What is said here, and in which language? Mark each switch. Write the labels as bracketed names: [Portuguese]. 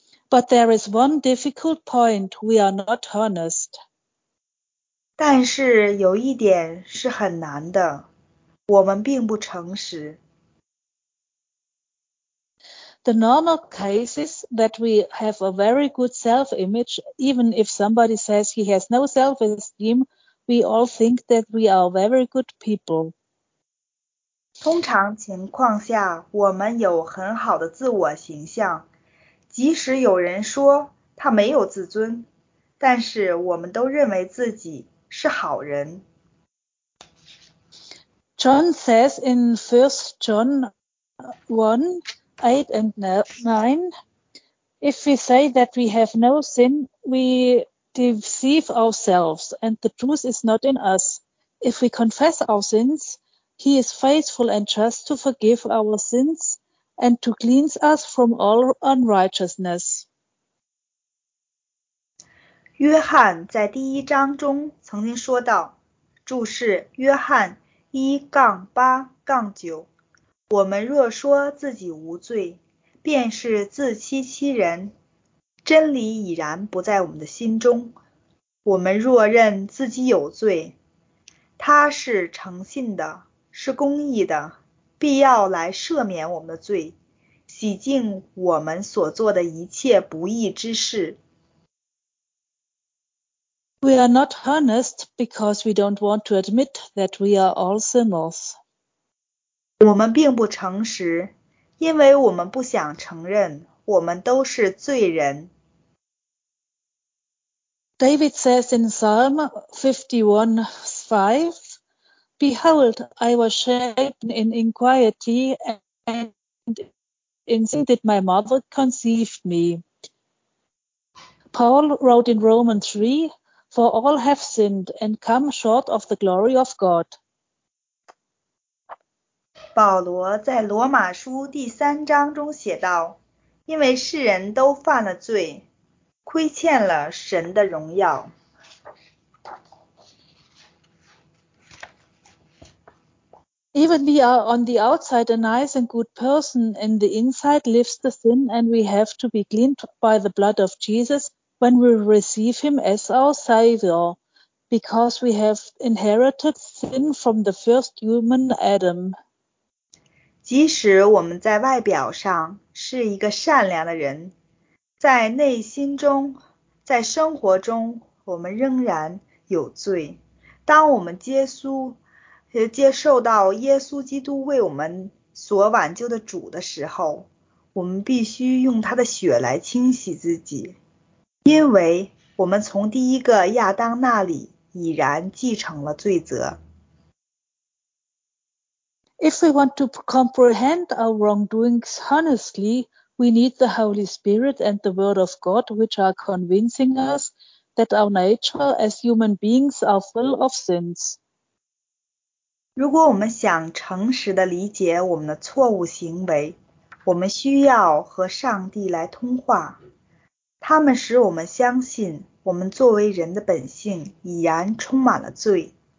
[English] But there is one difficult point, we are not honest. [Chinese] 但是有一点是很难的，我们并不诚实。 [English] The normal case is that we have a very good self-image, even if somebody says he has no self-esteem, we all think that we are very good people. [Chinese] 通常情况下，我们有很好的自我形象，即使有人说他没有自尊，但是我们都认为自己是好人。 [English] John says in 1 John 1, 8 and 9, If we say that we have no sin, we deceive ourselves, and the truth is not in us. If we confess our sins, he is faithful and just to forgive our sins and to cleanse us from all unrighteousness. [Chinese] 约翰在第一章中曾经说到，注释约翰1-8-9，我们若说自己无罪，便是自欺欺人，真理已然不在我们的心中。我们若认自己有罪，他是诚信的，是公义的，必要来赦免我们的罪，洗净我们所做的一切不义之事。 [English] We are not honest because we don't want to admit that we are all sinners. [Chinese] 我们并不诚实，因为我们不想承认我们都是罪人。 [English] David says in Psalm 51:5, Behold, I was shapen in inquiry, and in sin did my mother conceive me. Paul wrote in Romans 3, For all have sinned and come short of the glory of God. [Chinese] 保罗在罗马书第三章中写道，因为世人都犯了罪，亏欠了神的荣耀。 [English] Even we are on the outside a nice and good person, and the inside lives the sin, and we have to be cleaned by the blood of Jesus when we receive him as our Savior, because we have inherited sin from the first human Adam. [Chinese] 即使我们在外表上是一个善良的人，在内心中，在生活中，我们仍然有罪。当我们接受到耶稣基督为我们所挽救的主的时候，我们必须用他的血来清洗自己，因为我们从第一个亚当那里已然继承了罪责。 [English] If we want to comprehend our wrongdoings honestly, we need the Holy Spirit and the Word of God, which are convincing us that our nature as human beings are full of sins. [Chinese] 如果我们想诚实地理解我们的错误行为，我们需要和上帝来通话。他们使我们相信，我们作为人的本性已然充满了罪。